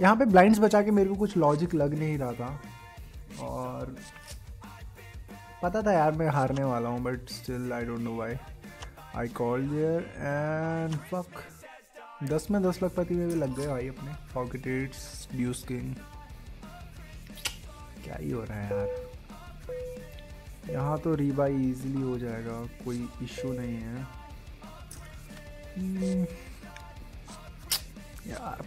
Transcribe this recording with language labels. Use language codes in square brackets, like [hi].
[hi] यहाँ पे blinds बचा के मेरे को कुछ logic लग नहीं रहा था, और पता था यार मैं हारने वाला हूँ, [en] but still I don't know why I called here and fuck. [hi] 10 में 10 लखपति में भी लग गए भाई अपने. [en] Pocket eights, deuce king. [hi] क्या ही हो रहा है यार, यहाँ तो रीबाई इजीली हो जाएगा, कोई इश्यू नहीं है यार.